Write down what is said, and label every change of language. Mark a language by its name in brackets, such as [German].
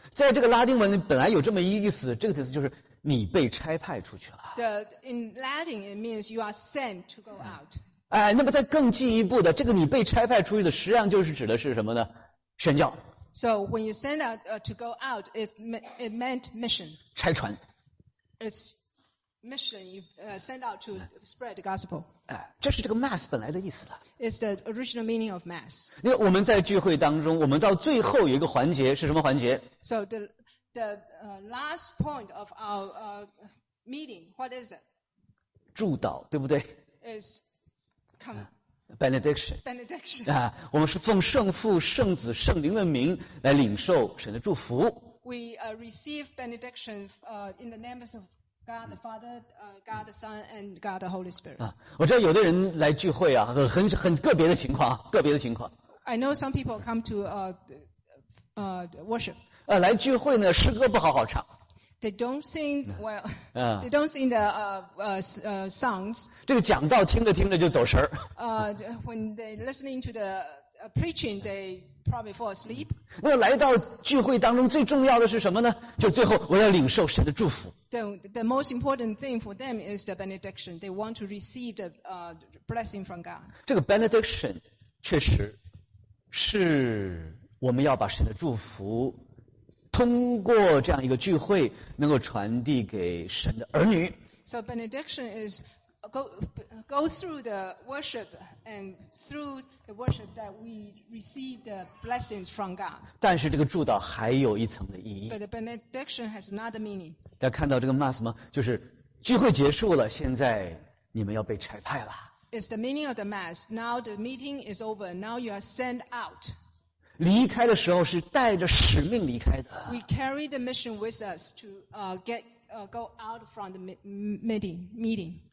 [Chinese] 在这个拉丁文本来有这么一个意思，这个意思就是。你被差派出去了。 [English] In Latin, it means you are sent to go out. [Chinese] 那么再更进一步的，这个你被差派出去的，实际上就是指的是什么呢？宣教。 [English] So when you send out to go out, it meant mission. [Chinese] 差传。 [English] It's mission. You send out to spread the gospel. [Chinese] 这是这个 mass 本来的意思了。 [English] It's the original meaning of mass. [Chinese] 因为我们在聚会当中，我们到最后有一个环节是什么环节 [English] ？So the last point of our meeting, what is it? [Chinese] 祝祷，对不对 [English] ？Is benediction. Benediction. [Chinese] 我们是奉圣父、圣子、圣灵的名来领受神的祝福。 [English] We receive benediction in the names of God the Father, God the Son, and God the Holy Spirit. [Chinese] 我知道有的人来聚会啊，很个别的情况，个别的情况。 [English] I know some people come to worship. [Chinese] 来聚会呢，诗歌不好好唱。 [English] They don't sing well. They don't sing the songs. [Chinese] 这个讲道听着听着就走神儿。 [English] When they listening to the preaching, they probably fall asleep. [Chinese] 那来到聚会当中最重要的是什么呢？就最后我要领受神的祝福。 [English] The most important thing for them is the benediction. They want to receive the blessing from God. [Chinese] 这个 benediction 确实是。我们要把神的祝福通过这样一个聚会能够传递给神的儿女。 [English] So benediction is go through the worship and through the worship that we receive the blessings from God. [Chinese] 但是这个祝祷还有一层的意义。 [English] But the benediction has another meaning. [Chinese] 大家看到这个 mass 吗？就是聚会结束了，现在你们要被差派了。 [English] It's the meaning of the mass. Now the meeting is over. Now you are sent out. [Chinese] 离开的时候是带着使命离开的。 [English] We carry the mission with us to go out from the meeting.